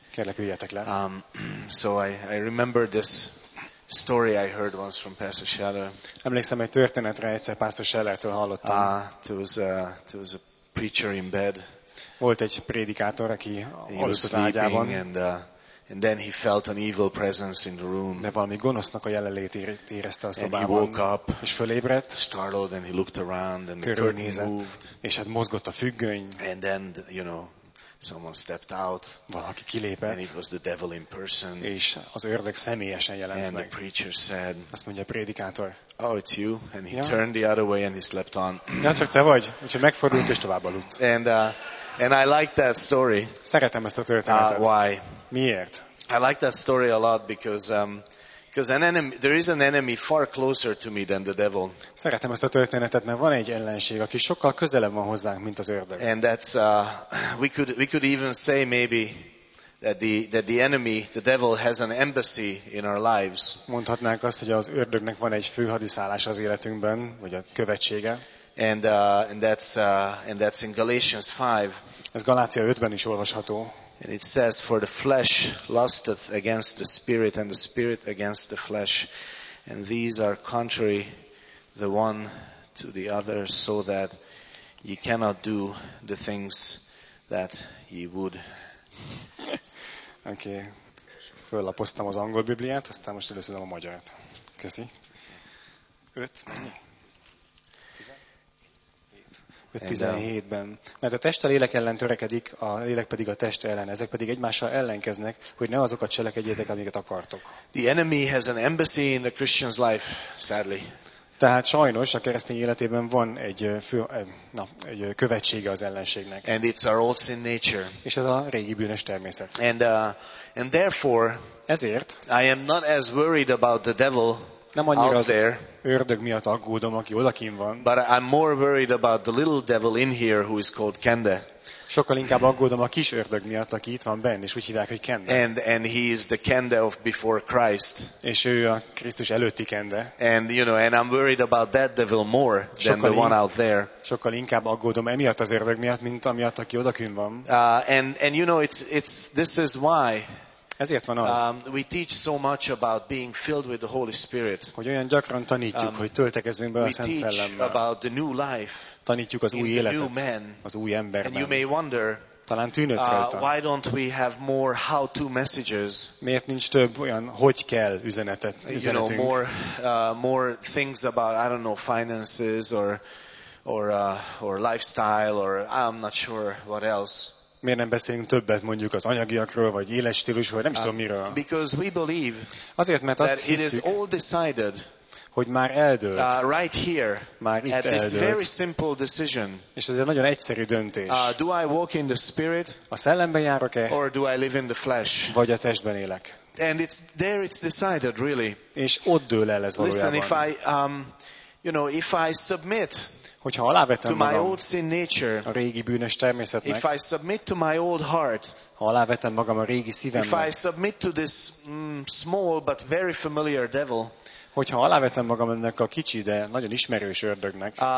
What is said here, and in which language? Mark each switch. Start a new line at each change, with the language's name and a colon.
Hungarian: Kérlek, üljetek le.
English: So I remember this story I heard once from Pastor Scheller.
Hungarian: Emlékszem egy történetre, egyszer Pastor Schellertől hallottam.
English: There was a preacher in bed.
Hungarian: Volt egy prédikátor, aki aludt az ágyában.
English: And then he felt an evil presence in the room.
Hungarian: De valami gonosznak a jelenlét érezte a szobában.
English: And he woke up,
Hungarian: és fölébredt.
English: Startled, and he looked around, and the curtain moved.
Hungarian: És hát mozgott a függöny.
English: And then, someone stepped out.
Hungarian: Valaki kilépett.
English: And it was the devil in person.
Hungarian: És az ördög személyesen jelent
English: and
Hungarian: meg.
English: And the preacher said,
Hungarian: azt mondja a prédikátor,
English: oh, it's you. And he turned the other way, and he slept on.
Hungarian: Ja, csak te vagy. Úgyhogy megfordult, és tovább aludt.
English: And I like that story.
Hungarian: Szeretem ezt a történetet.
English: Why?
Hungarian: Miért?
English: I like that story a lot because there is an enemy far closer to me than the devil.
Hungarian: Szeretem ezt a történetet, mert van egy ellenség, aki sokkal közelebb van hozzánk, mint az ördög.
English: And that's we could even say maybe that the enemy, the devil, has an embassy in our lives.
Hungarian: Mondhatnánk azt, hogy az ördögnek van egy főhadiszállás az életünkben, vagy a követsége.
English: And that's in Galatians 5.
Hungarian: Ez Galácia 5-ben is olvasható.
English: And it says, for the flesh lusteth against the spirit, and the spirit against the flesh, and these are contrary the one to the other, so that ye cannot do the things that ye would. Okay.
Hungarian: Föllapoztam az angol bibliát, aztán most előszedem a magyarát. Köszi. 5:17-ben. Mert a test a lélek ellen törekedik, a lélek pedig a test ellen. Ezek pedig egymással ellenkeznek, hogy ne azokat cselekedjétek, amiket akartok.
English: The enemy has an embassy in the Christian's life, sadly.
Hungarian: Tehát sajnos a keresztény életében van egy követsége az ellenségnek.
English: And it's our old sin nature.
Hungarian: És ez a régi bűnös természet.
English: And therefore,
Hungarian: ezért
English: I am not as worried about the devil.
Hungarian: Nem annyira
English: out there,
Hungarian: ördög miatt aggódom, aki odakin van.
English: But I'm more worried about the little devil in here who is called Kende.
Hungarian: Sokkal inkább aggódom a kis ördög miatt, aki itt van benne, és úgy hívják, hogy Kende.
English: And he is the Kende of before Christ.
Hungarian: És ő a Krisztus előtti Kende.
English: And you know, and I'm worried about that devil more than the one out there.
Hungarian: Sokkal inkább aggódom emiatt az ördög miatt, mint amiatt, aki odakünn van.
English: And you know, it's this is why.
Hungarian: Ezért van az.
English: We teach so much about being filled with the Holy Spirit.
Hungarian: Hogy olyan gyakran tanítjuk, hogy töltekezzünk be a Szent Szellemmel.
English: About the new life.
Hungarian: Tanítjuk az új életet,
English: man,
Hungarian: az új emberben.
English: And you may wonder,
Hungarian: talán tűnődsz rajta.
English: Why don't we have more how-to messages?
Hungarian: Miért nincs több olyan hogy kell üzenetet?
English: You know, more things about, I don't know, finances or lifestyle or I'm not sure what else.
Hungarian: Miért nem beszélünk többet mondjuk az anyagiakról, vagy életstílusról, vagy nem is tudom miről.
English: Because we believe
Hungarian: azért, mert azt hiszük,
English: it is all decided,
Hungarian: hogy már eldőlt,
English: right here,
Hungarian: már itt
English: at this
Hungarian: eldőlt,
English: very simple decision,
Hungarian: és ez egy nagyon egyszerű döntés.
English: Do I walk in the spirit,
Hungarian: a szellemben járok-e,
English: or do I live in the flesh?
Hungarian: Vagy a testben élek.
English: And it's, there it's decided, really.
Hungarian: És ott dől el ez valójában.
English: Listen, if I, you know, if I submit,
Hungarian: hogyha alávetem magam
English: nature,
Hungarian: a régi bűnös természetnek,
English: if I submit to my old heart,
Hungarian: ha alávetem magam a régi szívemnek,
English: if I submit to this small but very familiar devil,
Hungarian: hogyha alávetem magam ennek a kicsi, de nagyon ismerős ördögnek,